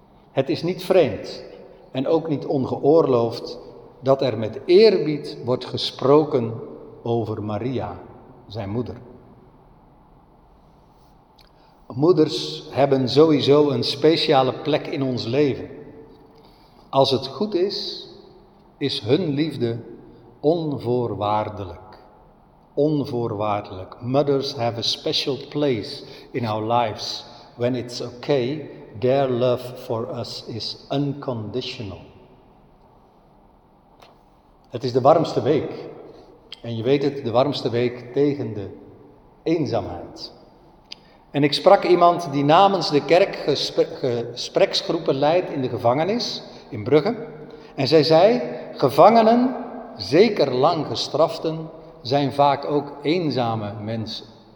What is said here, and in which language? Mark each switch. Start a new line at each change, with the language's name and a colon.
Dutch: Het is niet vreemd en ook niet ongeoorloofd dat er met eerbied wordt gesproken over Maria, zijn moeder. Moeders hebben sowieso een speciale plek in ons leven. Als het goed is, is hun liefde onvoorwaardelijk. Onvoorwaardelijk.
English: Mothers have a special place in our lives. When it's okay, their love for us is unconditional.
Dutch: Het is de warmste week. En je weet het, de warmste week tegen de eenzaamheid. En ik sprak iemand die namens de kerk gespreksgroepen leidt in de gevangenis in Brugge. En zij zei, gevangenen, zeker lang gestraften, zijn vaak ook eenzame mensen.